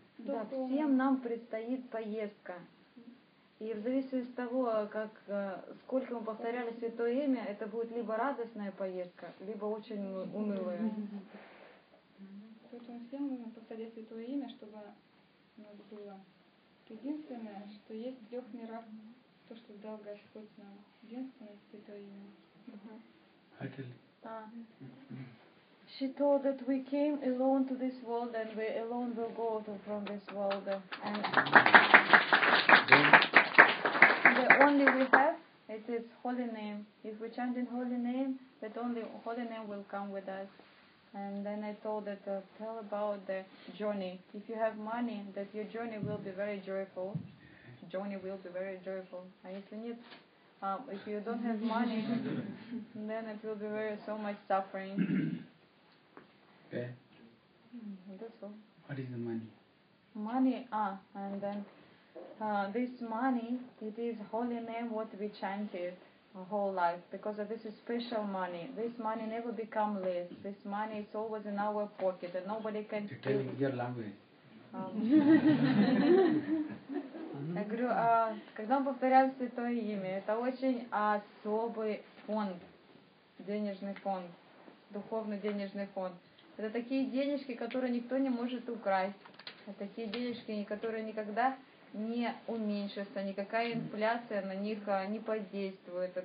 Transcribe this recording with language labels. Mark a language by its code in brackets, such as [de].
[ru] то всем нам предстоит поездка. И в зависимости от того, как сколько мы повторяли Святое Имя, это будет либо радостная поездка, либо очень унылая. Поэтому всем нужно повторять Святое Имя, чтобы у нас было единственное, что есть в трех мирах, то, что дал Господь нам. Единственное Святое Имя. [en] She told that we came alone to this world and we alone will go from this world. And the only we have, it is Holy Name. If we chant in Holy Name, that only Holy Name will come with us. And then I told her to tell about the journey. If you have money, that your journey will be very joyful. Journey will be very joyful. And if you need, if you don't have money, then it will be very so much suffering. Okay. That's all. What is the money? Money, and then this money, it is Holy Name what we chanted. Whole life, because this is special money. This money never become less. This money is always in our pocket, and nobody can. You're telling your language. [ru] Я говорю, когда мы повторяем Святое Имя, это очень особый фонд, денежный фонд, духовный денежный фонд. Это такие денежки, которые никто не может украсть. Это такие денежки, которые никогда не уменьшится, никакая инфляция на них не подействует.